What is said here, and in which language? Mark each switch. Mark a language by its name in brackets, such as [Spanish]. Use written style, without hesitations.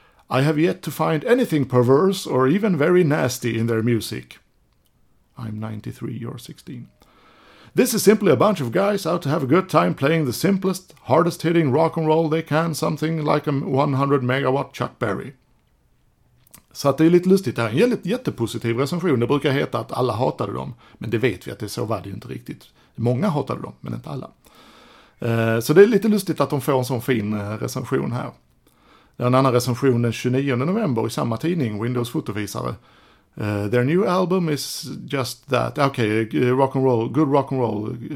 [English] I have yet to find anything perverse or even very nasty in their music. I'm 93, you're 16. This is simply a bunch of guys out to have a good time playing the simplest, hardest hitting rock and roll they can, something like a 100 megawatt Chuck Berry. [Swedish] Så att det är lite lustigt här. En jättepositiv recension. Det brukar heta att alla hatade dem. Men det vet vi att det så var det ju inte riktigt. Många hatade dem, men inte alla. Så det är lite lustigt att de får en sån fin recension här. Det är en annan recension den 29 november i samma tidning, Windows Fotovisare. [English] Their new album is just that. Okay, rock and roll, good rock and roll.